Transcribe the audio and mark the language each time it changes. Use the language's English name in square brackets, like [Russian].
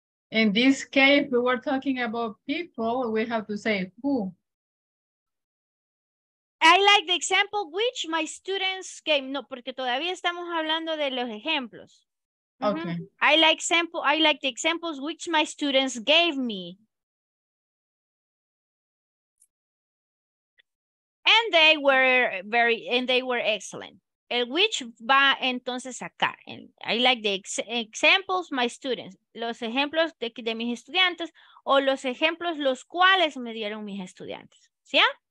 [English] In this case, we were talking about people. We have to say who. I like the example which my students gave. [Spanish] No, porque todavía estamos hablando de los ejemplos. [English] Mm-hmm. Okay. I like the examples which my students gave me. And they were excellent. El which va entonces acá. [Spanish] I like the examples my students, los ejemplos de mis estudiantes o los ejemplos los cuales me dieron mis estudiantes. ¿Sí?